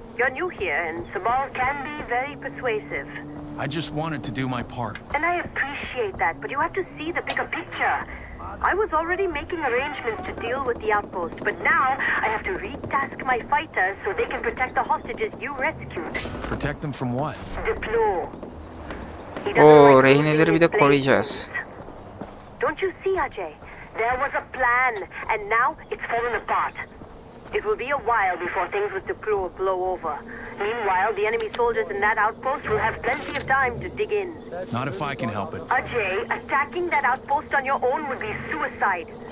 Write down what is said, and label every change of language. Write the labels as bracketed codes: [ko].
[en] You're new here, and Sabal can be very persuasive. I just wanted to do my part. And I appreciate that, but you have to see the bigger picture. I was already making arrangements to deal with the outpost, but now I have to retask my fighters so they can protect the hostages you rescued. Protect them from what? Deplore. [tr] Rehineleri bir de koruyacağız. [en] Don't you see, Ajay? There was a plan, and now it's fallen apart. It will be a while before things with the crew will blow over. Meanwhile, the enemy soldiers in that outpost will have plenty of time to dig in. Not if I can help it. Ajay, attacking that outpost on your own would be suicide.